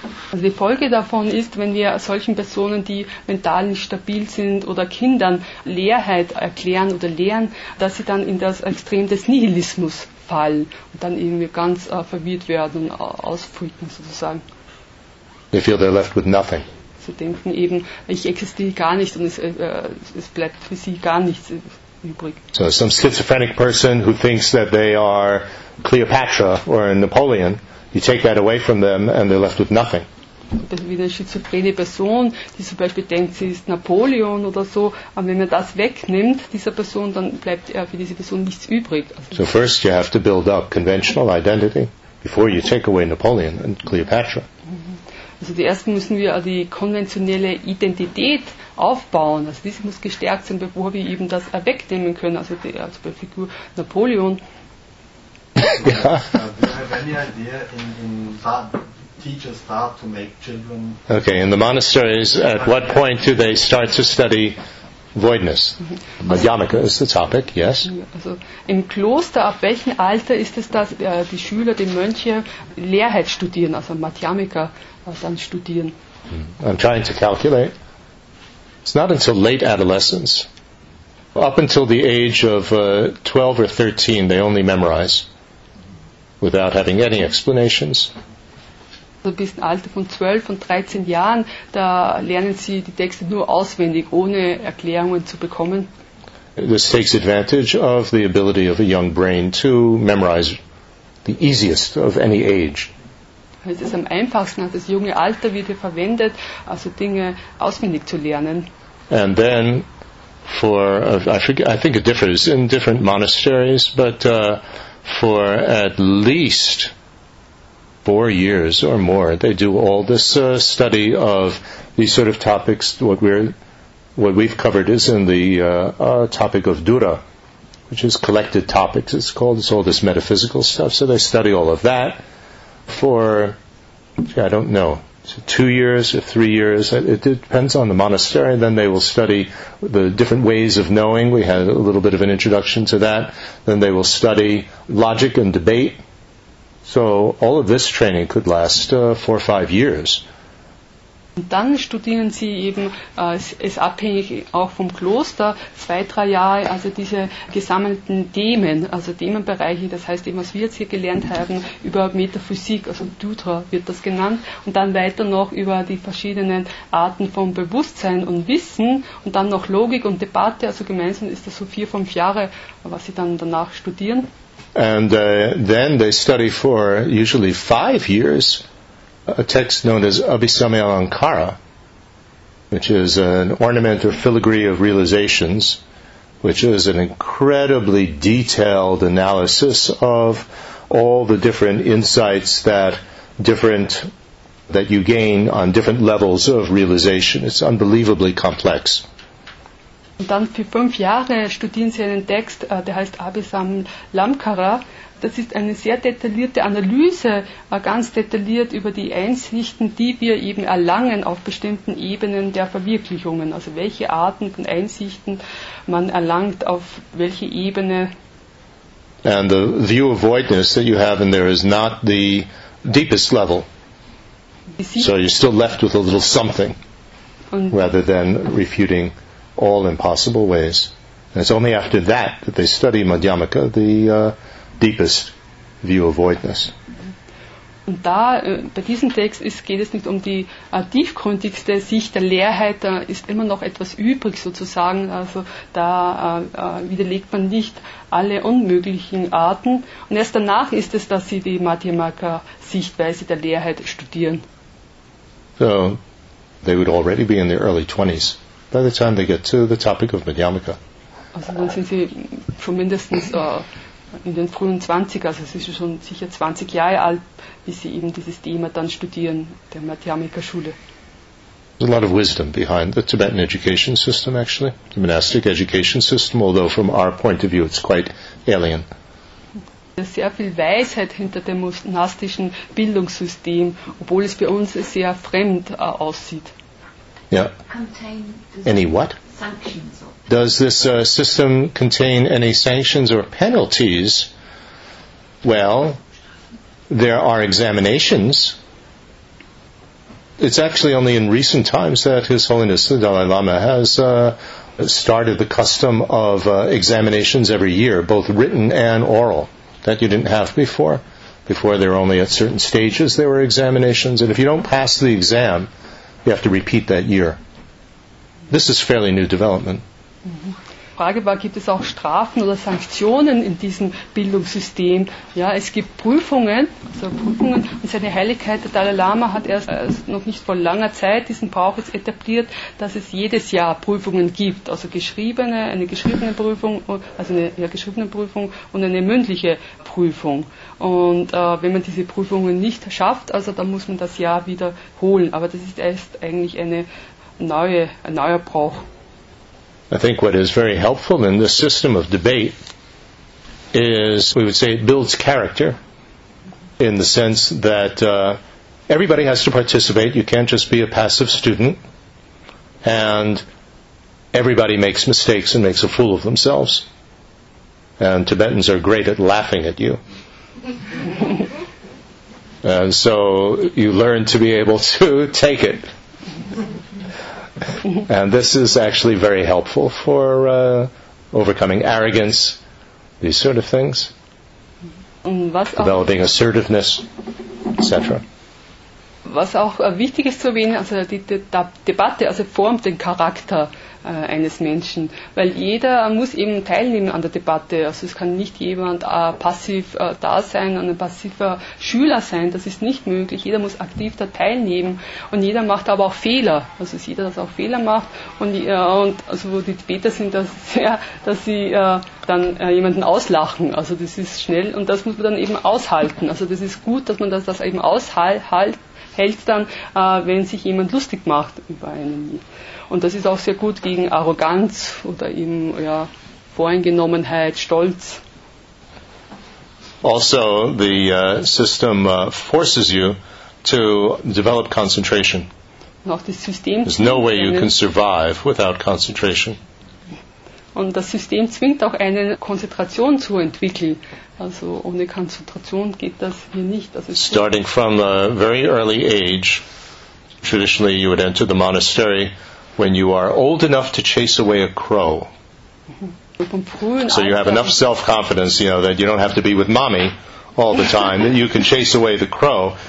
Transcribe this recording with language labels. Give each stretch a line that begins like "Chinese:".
German: Also die Folge davon ist, wenn wir solchen Personen, die mental nicht stabil sind, oder Kindern Leerheit erklären oder lehren, dass sie dann in das Extrem des Nihilismus Fall und dann eben wir ganz verwirrt werden und ausfreaken sozusagen.
English: They feel they're left with nothing.
German: Sie denken eben, ich existiere gar nicht und es bleibt für sie gar nichts übrig.
English: So some schizophrenic person who thinks that they are Cleopatra or Napoleon, you take that away from them and they're left with nothing.
German: Wie eine schizophrene Person, die zum Beispiel denkt, sie ist Napoleon oder so, aber wenn man das wegnimmt, dieser Person, dann bleibt für diese Person nichts übrig.
English: So first you have to build up conventional identity before you take away Napoleon and Cleopatra.
German: Also zuerst müssen wir die konventionelle Identität aufbauen, also diese muss gestärkt sein, bevor wir eben das wegnehmen können, also die Figur Napoleon. Ja.
English: Teachers start to make children. Okay, in the monasteries, at what point do they start to study voidness? Madhyamika is the topic, yes.
German: Also, im Kloster, ab welchem Alter ist es, dass die Schüler, die Mönche, Leerheit studieren, also Madhyamika dann studieren?
English: I'm trying to calculate. It's not until late adolescence. Up until the age of 12 or 13, they only memorize without having any explanations.
German: Also bis ein Alter von 12 und 13 Jahren, da lernen sie die Texte nur auswendig, ohne Erklärungen zu bekommen.
English: This takes advantage of the ability of a young brain to memorize the easiest of any age.
German: Es ist am einfachsten, das junge Alter wird hier verwendet, also Dinge auswendig zu lernen.
English: And then, I think it differs in different monasteries, but for at least 4 years or more, they do all this study of these sort of topics. What we've covered is in the topic of dura, which is collected topics. It's called, it's all this metaphysical stuff. So they study all of that for, I don't know, 2 years or 3 years. It depends on the monastery. Then they will study the different ways of knowing. We had a little bit of an introduction to that. Then they will study logic and debate. So all of this training could last 4 or 5 years.
German: Und dann studieren sie eben, es ist abhängig auch vom Kloster, 2-3 Jahre, also diese gesammelten Themen, also Themenbereiche, das heißt eben, was wir jetzt hier gelernt haben, über Metaphysik, also Dutra wird das genannt, und dann weiter noch über die verschiedenen Arten von Bewusstsein und Wissen und dann noch Logik und Debatte, also gemeinsam ist das so 4-5 Jahre, was sie dann danach studieren.
English: And then they study for usually 5 years. A text known as Abhisamayalankara, which is an ornament or filigree of realizations, which is an incredibly detailed analysis of all the different insights that you gain on different levels of realization. It's unbelievably complex.
German: Und dann für 5 Jahre studieren sie einen Text, der heißt Abhisamayalankara. Das ist eine sehr detaillierte Analyse, ganz detailliert über die Einsichten, die wir eben erlangen auf bestimmten Ebenen der Verwirklichungen. Also welche Arten von Einsichten man erlangt, auf welche Ebene.
English: And the view of voidness that you have in there is not the deepest level. So you're still left with a little something, rather than refuting all impossible ways. And it's only after that that they study Madhyamaka, the deepest view of voidness.
German: Und da, bei diesem Text geht es nicht um die tiefgründigste Sicht der Leerheit, da ist immer noch etwas übrig sozusagen, also da widerlegt man nicht alle unmöglichen Arten. Und erst danach ist es, dass sie die Madhyamaka-Sichtweise der Leerheit studieren.
English: So, they would already be in their early 20s by the time they get to the topic of Madhyamaka.
German: Also dann sind sie schon mindestens in den frühen 20er, also es ist schon sicher 20 Jahre alt, wie sie eben dieses Thema dann studieren, der Madhyamika-Schule.
English: There's a lot of wisdom behind the Tibetan education system, actually, the monastic education system, although from our point of view it's quite alien.
German: Es ist sehr viel Weisheit hinter dem monastischen Bildungssystem, obwohl es bei uns sehr fremd aussieht.
English: Yeah. Any what? Does this system contain any sanctions or penalties? Well, there are examinations. It's actually only in recent times that His Holiness the Dalai Lama has started the custom of examinations every year, both written and oral, that you didn't have before. Before, there were only at certain stages there were examinations, and if you don't pass the exam, you have to repeat that year. This is fairly new development.
German: Frage war, gibt es auch Strafen oder Sanktionen in diesem Bildungssystem? Ja, es gibt Prüfungen, also Prüfungen, und seine Heiligkeit, der Dalai Lama, hat erst noch nicht vor langer Zeit diesen Brauch jetzt etabliert, dass es jedes Jahr Prüfungen gibt, also eine geschriebene Prüfung, also eine geschriebene Prüfung und eine mündliche Prüfung. Und wenn man diese Prüfungen nicht schafft, also dann muss man das Jahr wiederholen. Aber das ist erst eigentlich ein neuer Brauch.
English: I think what is very helpful in this system of debate is, we would say, it builds character in the sense that everybody has to participate. You can't just be a passive student, and everybody makes mistakes and makes a fool of themselves. And Tibetans are great at laughing at you. And so you learn to be able to take it. And this is actually very helpful for overcoming arrogance, these sort of things, developing assertiveness, etc.
German: Was auch wichtig ist zu erwähnen, also die Debatte, also formt den Charakter. eines Menschen. Weil jeder muss eben teilnehmen an der Debatte. Also es kann nicht jemand passiv da sein und ein passiver Schüler sein. Das ist nicht möglich. Jeder muss aktiv da teilnehmen. Und jeder macht aber auch Fehler. Also es ist jeder, der auch Fehler macht. Und also wo die Tibeter sind das sehr, dass sie dann jemanden auslachen. Also das ist schnell und das muss man dann eben aushalten. Also das ist gut, dass man das eben aushält dann, wenn sich jemand lustig macht über einen. Und das ist auch sehr gut gegen Arroganz oder eben ja, Voreingenommenheit, Stolz.
English: Also the system forces you to develop concentration.
German: Auch das System.
English: There's no way you can survive without concentration.
German: Und das System zwingt auch eine Konzentration zu entwickeln. Also ohne Konzentration geht das hier nicht. Also
English: starting from a very early age, traditionally you would enter the monastery when you are old enough to chase away a crow. So you have enough self-confidence, you know, that you don't have to be with mommy all the time, that you can chase away the crow.